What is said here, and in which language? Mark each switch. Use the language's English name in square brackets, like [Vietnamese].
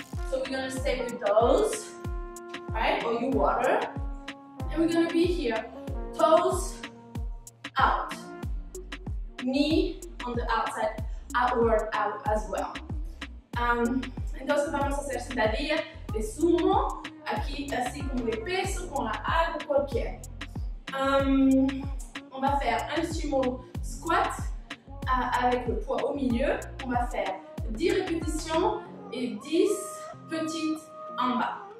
[English] So we're gonna stay with those, right? Or your water. And we're gonna be here. Toes out. Knee on the outside, outward out as well. [Spanish] Entonces vamos a hacer sentadilla de sumo. Aquí, así como de peso, con la agua, cualquier. [French] On va faire un sumo squat avec le poids au milieu. On va faire 10 répétitions et 10 petites en bas.